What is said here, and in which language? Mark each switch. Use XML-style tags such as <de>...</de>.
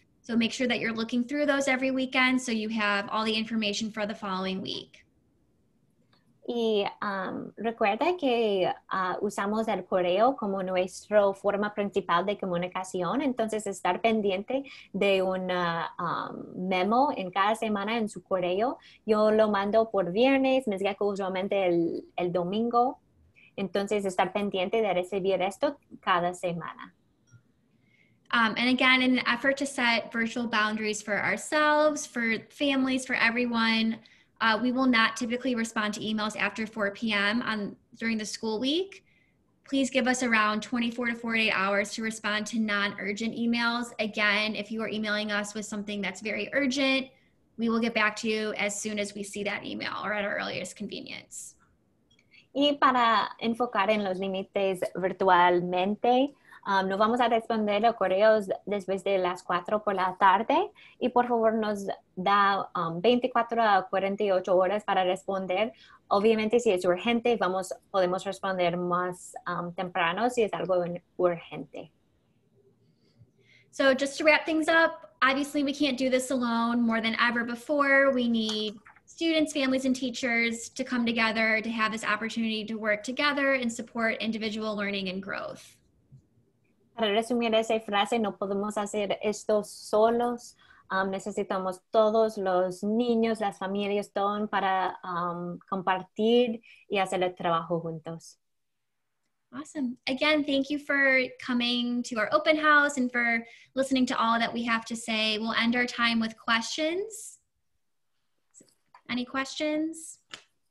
<en>So make sure that you're looking through those every weekend so you have all the information for the following week.</en> <es>Y recuerda que usamos el correo como nuestra forma principal de comunicación. Entonces, estar pendiente de un memo en cada semana en su correo. Yo lo mando por viernes, Ms. Gecko usualmente el domingo. Entonces, estar pendiente de recibir esto cada semana.</es> <en>And again, in an effort to set virtual boundaries for ourselves, for families, for everyone, we will not typically respond to emails after 4 p.m. on during the school week. Please give us around 24 to 48 hours to respond to non-urgent emails. Again, if you are emailing us with something that's very urgent, we will get back to you as soon as we see that email or at our earliest convenience.</en> <es>Y para enfocar en los límites virtualmente, no vamos a responder los correos después de las 4 por la tarde y por favor nos da 24 a 48 horas para responder. Obviamente si es urgente podemos responder más temprano si es algo urgente.</es> <en>So just to wrap things up, obviously we can't do this alone more than ever before. We need students, families, and teachers to come together to have this opportunity to work together and support individual learning and growth.</en> <es>Para resumir esa frase, no podemos hacer esto solos. Necesitamos todos los niños, las familias, todo para compartir y hacer el trabajo juntos.</es> <en>Awesome. Again, thank you for coming to our open house and for listening to all that we have to say. We'll end our time with questions. Any questions?</en>